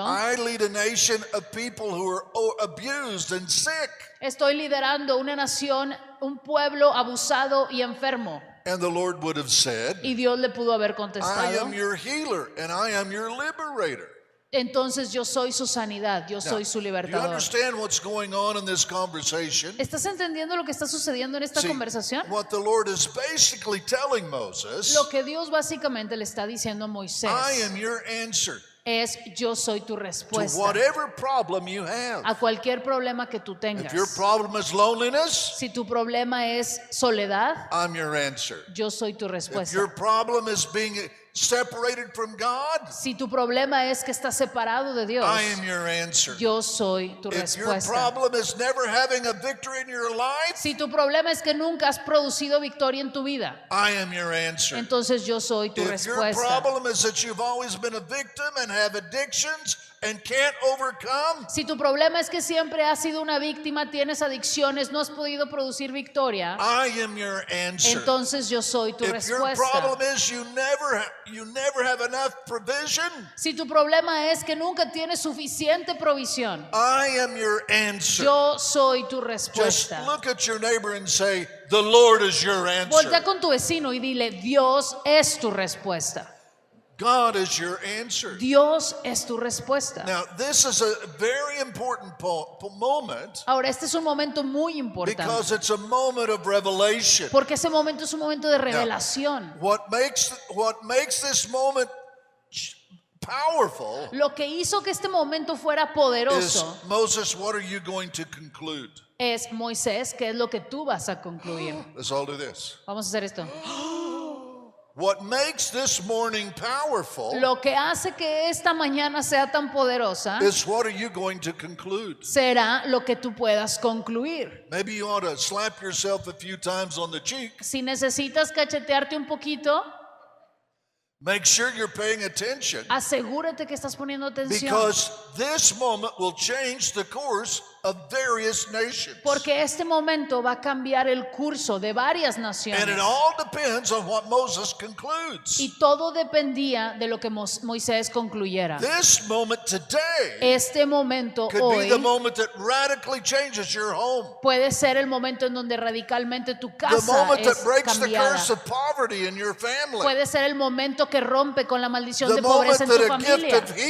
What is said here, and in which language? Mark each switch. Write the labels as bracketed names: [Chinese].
[English] I lead a nation of people who are abused and sick. [Spanish] Estoy liderando una nación, un pueblo abusado y enfermo. [English] And the Lord would have said, [Spanish] y Dios le pudo haber contestado, [English] I am your healer and I am your liberator. [Spanish] Entonces yo soy su sanidad, yo soy su libertador. [English] You understand what's going on in this conversation? [Spanish] ¿Estás entendiendo lo que está sucediendo en esta conversación? [English] What the Lord is basically telling Moses, [Spanish] lo que Dios básicamente le está diciendo a Moisés, [English] I am your answer. [Spanish] Es yo soy tu respuesta. [English] To whatever problem you have. [Spanish] A cualquier problema que tú tengas. [English] If your problem is loneliness, [Spanish] si tu problema es soledad, [English] I'm your answer. [Spanish] Yo soy tu respuesta. [English] If your problem is being separated from God, [Spanish] si tu problema es que estás separado de Dios, [English] I am your answer. [Spanish] Yo soy tu respuesta. [English] If your problem is never having a victory in your life, [Spanish] si tu problema es que nunca has producido victoria en tu vida, [English] I am your answer. [Spanish] Entonces yo soy tu respuesta. [English] If your problem is that you've always been a victim and have addictions and can't overcome, [Spanish] si tu problema es que siempre has sido una víctima, tienes adicciones, no has podido producir victoria, [English] I am your answer. [Spanish] Entonces yo soy tu [English] if [Spanish] respuesta. [English] Your problem is you never have enough provision, [Spanish] si tu problema es que nunca tienes suficiente provisión, [English] I am your answer. [Spanish] Yo soy tu respuesta. [English] Just look at your neighbor and say, the Lord is your answer. [Spanish] Voltea con tu vecino y dile, Dios es tu respuesta. [English] God is your answer. [Spanish] Dios es tu respuesta. [English] Now, this is a very important moment. [Spanish] Ahora, este es un momento muy importante. [English] Because it's a moment of revelation. [Spanish] Porque ese momento es un momento de revelación. [English] Now, what makes this moment powerful? [Spanish] Lo que hizo que este momento fuera poderoso. [English] Moses, what are you going to conclude? [Spanish] Es Moisés, ¿qué es lo que tú vas a concluir? [English] Let's all do this. [Spanish] Vamos a hacer esto. [English] What makes this morning powerful? [Spanish] Lo que hace que esta mañana sea tan poderosa. [English] Is what are you going to conclude? [Spanish] Será lo que tú puedas concluir. [English] Maybe you ought to slap yourself a few times on the cheek. [Spanish] Si necesitas cachetearte un poquito. [English] Make sure you're paying attention. [Spanish] Asegúrate que estás poniendo atención. [English] Because this moment will change the course of various nations. [Spanish] Porque este momento va a cambiar el curso de varias naciones. [English] And it all depends on what Moses concludes. [Spanish] Y todo dependía de lo que Moisés concluyera. [English] This moment today. [Spanish] Este momento [English] could [Spanish] hoy. [English] Could be the moment that radically changes your home. [Spanish] Puede ser el momento en donde radicalmente tu casa es cambiada. [English] The moment that breaks the curse of poverty in your family. [Spanish] Puede ser el momento que rompe con la maldición de pobreza en tu familia.